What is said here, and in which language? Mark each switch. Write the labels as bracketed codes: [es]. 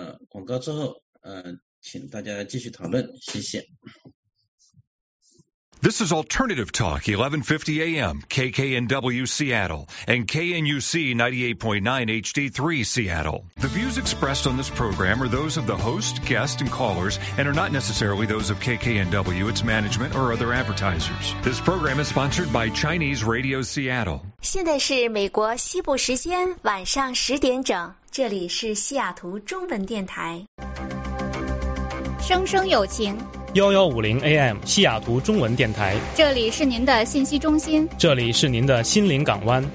[zh] 广告之后请大家继续讨论。谢谢。 [en] This is Alternative Talk, 1150 AM, KKNW Seattle, and KNUC 98.9 HD3 Seattle. The views expressed on this program are those of the host, guest, and callers, and are not necessarily those of KKNW, its management, or other advertisers. This program is sponsored by Chinese Radio Seattle. [zh] 现在是美国西部时间晚上十点整，这里是西雅图中文电台。声声有情。 1150 AM 西雅图中文电台，这里是您的信息中心，这里是您的心灵港湾，